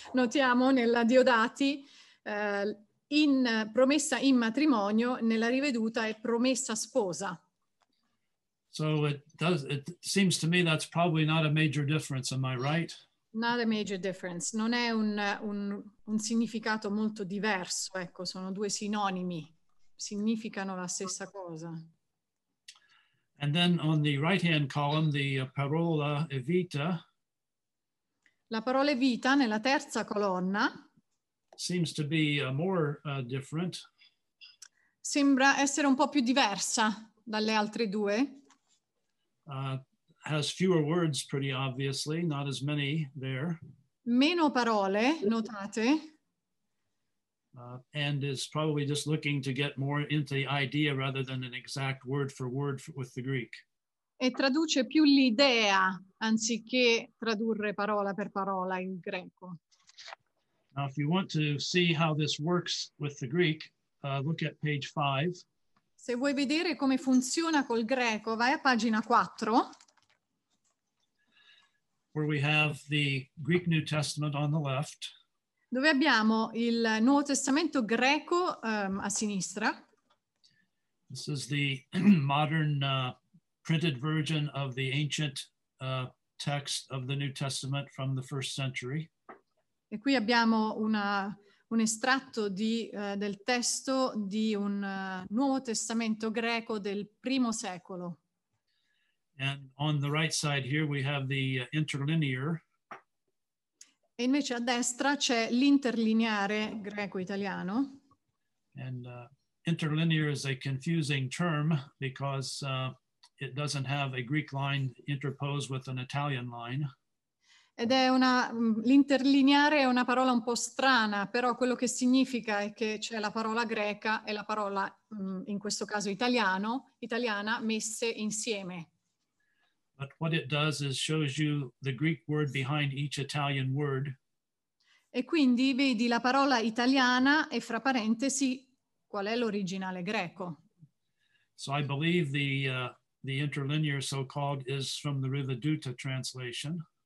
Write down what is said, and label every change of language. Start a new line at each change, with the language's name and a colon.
Italian: Notiamo nella Diodati in promessa in matrimonio, nella Riveduta è promessa sposa.
English: So it seems to me that's probably not a major difference, am I right? Not a major difference.
Italian: Non è un significato molto diverso, ecco, sono due sinonimi. Significano la stessa cosa.
English: And then on the right-hand column, the parola e vita.
Italian: La parola e vita nella terza colonna.
English: Seems to be more different.
Italian: Sembra essere un po' più diversa dalle altre due.
English: Has fewer words, pretty obviously, not as many there.
Italian: Meno parole, notate.
English: And is probably just looking to get more into the idea rather than an exact word for word with the Greek.
Italian: E traduce più l'idea anziché tradurre parola per parola in greco.
English: Now, if you want to see how this works with the Greek, look at page 5.
Italian: Se vuoi vedere come funziona col greco, vai a pagina 4.
English: Where we have the Greek New Testament on the left.
Italian: Dove abbiamo il Nuovo Testamento greco a sinistra.
English: This is the modern printed version of the ancient text of the New Testament from the first century.
Italian: E qui abbiamo un estratto del testo di un Nuovo Testamento greco del primo secolo.
English: And on the right side here we have the interlinear.
Italian: E invece a destra c'è l'interlineare greco-italiano.
English: And interlinear is a confusing term because it doesn't have a Greek line interposed with an Italian line.
Italian: Ed è una l'interlineare è una parola un po' strana, però quello che significa è che c'è la parola greca e la parola in questo caso italiana messe insieme.
English: But what it does is shows you the Greek word behind each Italian word.
Italian: E quindi vedi la parola italiana e fra parentesi qual è l'originale greco.
English: So I believe the interlinear so-called is from the Riveduta translation.